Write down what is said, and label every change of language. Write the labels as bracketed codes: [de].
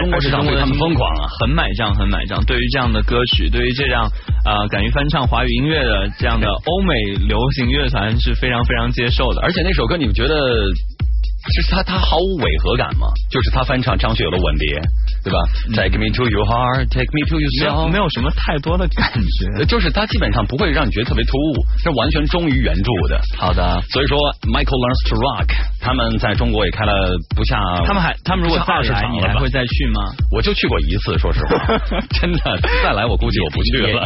[zh] 中国市场对他们疯狂啊，很买账，很买账。对于这样的歌曲，对于这样敢于翻唱华语音乐的这样的欧美流行乐团是非常非常接受的。而且那首歌你们觉得是他毫无违和感吗？就是他翻唱张学友的吻别，对吧？ [en] Take me to your heart, take me to yourself， [zh] 没有什么太多的感觉，就是他基本上不会让你觉得特别突兀，是完全忠于原著的。好的，所以说 Michael Learns to Rock 他们在中国也开了不下，他们如果再来你还会再去吗？我就去过一次，说实话真的再来我估计我不去了。